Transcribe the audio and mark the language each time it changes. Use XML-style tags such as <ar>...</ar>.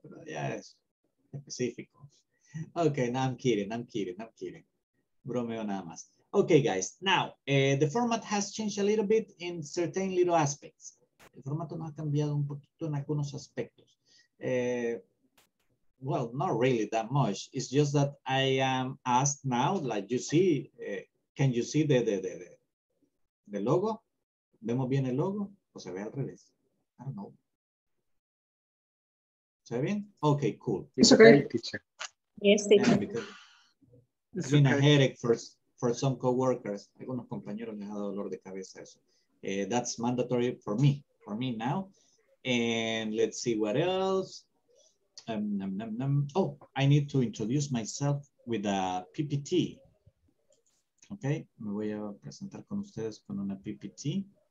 <es>Pero ya es específico.</es> <en>Okay, now I'm kidding.</en> <es>Bromeo nada más.</es> <en>Okay, guys, now, the format has changed a little bit in certain little aspects.</en> <es>El formato no ha cambiado un poquito en algunos aspectos.</es> <en>Well, not really that much. It's just that I am asked now, like you see, can you see the logo?</en> <es>¿Vemos bien el logo? ¿O se ve al revés?</es> <en>I don't know.</en> <es>¿Se ve bien? Okay, cool.</es> <en>It's okay, teacher. Yes, teacher. It's been okay. A headache for some coworkers.</en> <es>Algunos compañeros les ha dado dolor de cabeza eso.</es> <en>That's mandatory for me now. And let's see what else. Oh, I need to introduce myself with a PPT.</en> <es>Okay, me voy a presentar con ustedes con una PPT.</es>